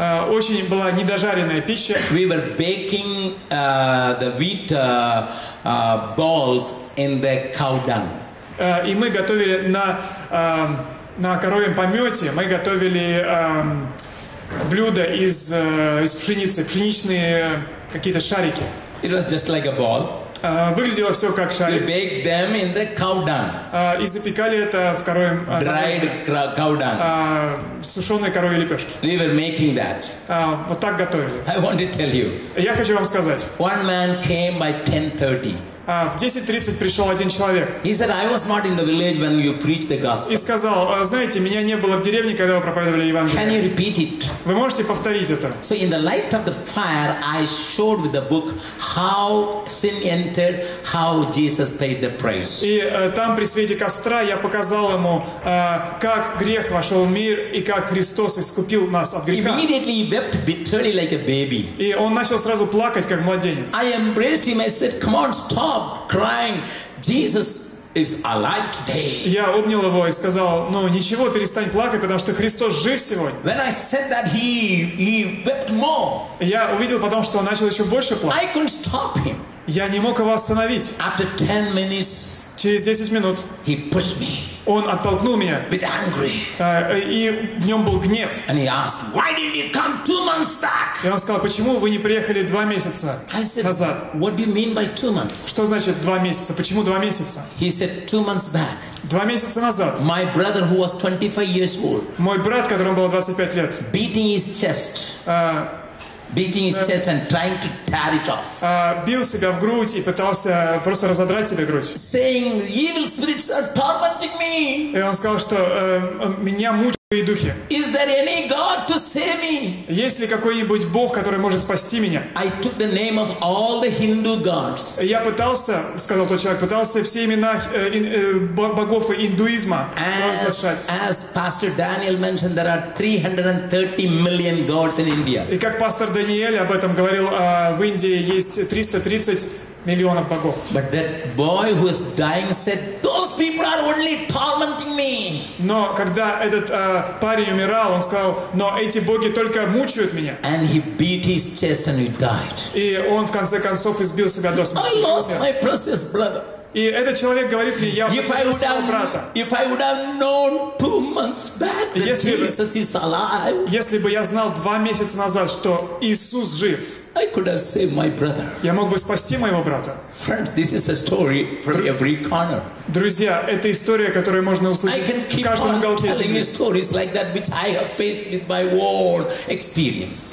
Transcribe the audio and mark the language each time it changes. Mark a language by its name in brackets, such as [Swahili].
[Russian] Очень была недожаренная пища. [English] We were baking the wheat balls in the cow dung. [Russian] И мы готовили на коровьем помете, мы готовили блюда из пшеницы, пшеничные какие-то шарики. [English] It was just like a ball. [Russian] Выглядело все как шарик. [English] We baked them in the cow dung. [Russian] И запекали это в коровьем [English] Dried cow dung. [Russian] Сушеные коровьи лепешки. [English] We were making that. [Russian] Вот так готовили. [English] I want to tell you. [Russian] Я хочу вам сказать. [English] One man came by 10:30. [Russian] В 10:30 пришел один человек. [English] He said, I was not in the village when you preached the gospel. [Russian] И сказал, знаете, меня не было в деревне, когда вы проповедовали Евангелие. [English] Can you repeat it? [Russian] Вы можете повторить это? [English] So in the light of the fire, I showed with the book how sin entered, how Jesus paid the price. [Russian] И там при свете костра я показал ему, как грех вошел в мир и как Христос искупил нас от греха. [English] Immediately he wept bitterly like a baby. [Russian] И он начал сразу плакать как младенец. [English] I embraced him. I said, come on, stop. Stop crying. Jesus is alive today. [Russian] Я обнял его и сказал, ну ничего, перестань плакать, потому что Христос жив сегодня. [English] When I said that, he wept more. [Russian] Я увидел потом, что он начал еще больше плакать. [English] I couldn't stop him. [Russian] Я не мог его остановить. [English] After 10 minutes, [Russian] через 10 минут [English] he pushed me. [Russian] Он оттолкнул меня. [English] With angry. [Russian] И в нем был гнев. [English] And he asked, why didn't you come 2 months back? [Russian] И он сказал, почему вы не приехали 2 месяца [English] I said, [Russian] назад? [English] What do you mean by 2 months? [Russian] Что значит 2 месяца? Почему 2 месяца? [English] He said, 2 months back. [Russian] 2 месяца назад. [English] My brother, who was 25 years old. [Russian] Мой брат, которому было 25 лет. [English] Beating his chest. Beating his chest and trying to tear it off. [Russian] Бил себя в грудь и пытался просто разодрать себе грудь. [English] Saying, evil spirits are tormenting me. [Russian] И он сказал, что меня мучают злые духи. [English] Is there any God to save me? [Russian] Есть ли какой-нибудь Бог, который может спасти меня? [English] I took the name of all the Hindu gods. [Russian] Я пытался, сказал тот человек, пытался все имена богов индуизма произносить. [English] As Pastor Daniel mentioned, there are 330 million gods in India. [Russian] И как пастор Даниэль об этом говорил, в Индии есть 330 миллионов богов. [English] But that boy who is dying said, those people are only tormenting me. [Russian] Но когда этот парень умирал, он сказал, но эти боги только мучают меня. [English] And he beat his chest and he died. [Russian] И он в конце концов избил себя до смерти. [English] I lost my precious brother. [Russian] И этот человек говорит мне, я потерял своего брата. [English] If I would have known 2 months back that Jesus is alive, [Russian] если бы я знал 2 месяца назад, что Иисус жив, [English] I could have saved my brother. [Russian] Я мог бы спасти моего брата. [English] Friends, this is a story for every corner. [Russian] Друзья, это история, которую можно услышать в каждом уголке земли. [English] I can keep on stories like that which I have faced with my own experience.